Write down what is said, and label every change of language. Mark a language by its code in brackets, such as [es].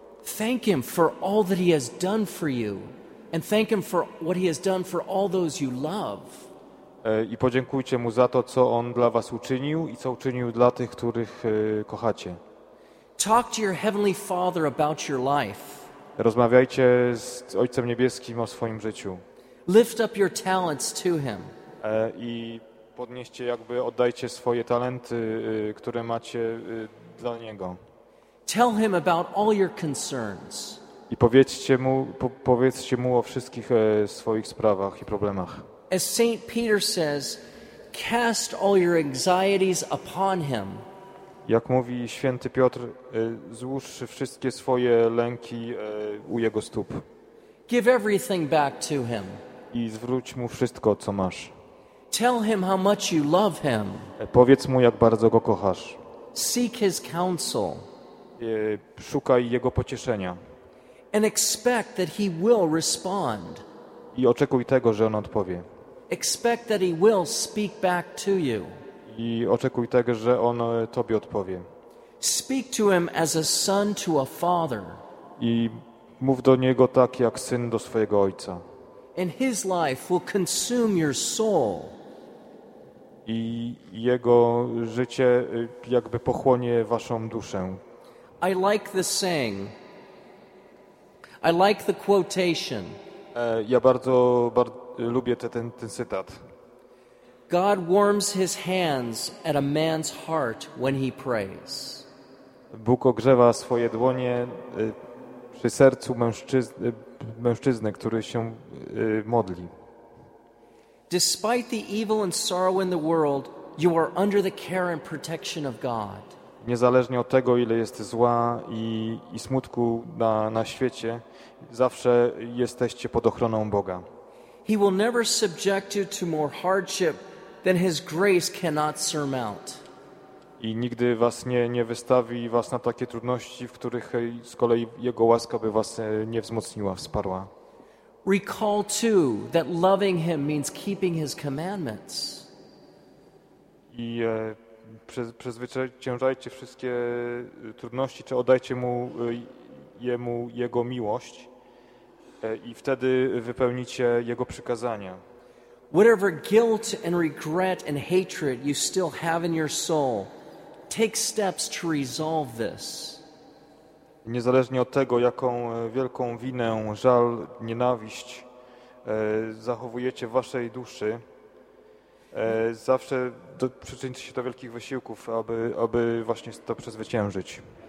[en] Thank him for all that he has done for you and thank him for what he has done for all those you love. [pl] I podziękujcie mu za to, co on dla was uczynił i co uczynił dla tych, których kochacie. [en] Talk to your heavenly Father about your life. [pl] Rozmawiajcie z Ojcem Niebieskim o swoim życiu. [en] Lift up your talents to him. [pl] I podnieście, jakby oddajcie swoje talenty, które macie dla niego. [en] Tell him about all your concerns. [pl] I powiedzcie mu o wszystkich swoich sprawach i problemach. [en] As Saint Peter says, cast all your anxieties upon him. [pl] Jak mówi Święty Piotr, złóż wszystkie swoje lęki u jego stóp. [en] Give everything back to him. [pl] I zwróć mu wszystko, co masz. [en] Tell him how much you love him. [pl] Powiedz mu, jak bardzo go kochasz. [en] Seek his counsel. [pl] Szukaj jego pocieszenia. [en] And expect that he will respond. [pl] I oczekuj tego, że on odpowie. [en] Expect that he will speak back to you. [pl] I oczekuj tego, że on tobie odpowie. [en] Speak to him as a son to a father. [pl] I mów do niego tak, jak syn do swojego ojca. [en] And his life will consume your soul. [pl] i jego życie jakby pochłonie waszą duszę. [en] I like the saying. I like the quotation. [pl] Ja bardzo lubię ten cytat. [en] God warms his hands at a man's heart when he prays. [pl] Bóg ogrzewa swoje dłonie przy sercu mężczyzny, który się modli. [en] Despite the evil and sorrow in the world, you are under the care and protection of God. [pl] Niezależnie od tego, ile jest zła i smutku na świecie, zawsze jesteście pod ochroną Boga. [en] He will never subject you to more hardship than his grace cannot surmount. [pl] I nigdy was nie wystawi was na takie trudności, w których z kolei jego łaska by was nie wzmocniła, wsparła. [en] Recall too that loving him means keeping his commandments. [pl] I przezwyciężajcie wszystkie trudności, czy oddajcie jemu jego miłość i wtedy wypełnicie jego przykazania. [en] Whatever guilt and regret and hatred you still have in your soul, take steps to resolve this. [pl] Niezależnie od tego, jaką wielką winę, żal, nienawiść zachowujecie w waszej duszy, zawsze przyczyńcie się do wielkich wysiłków, aby właśnie to przezwyciężyć.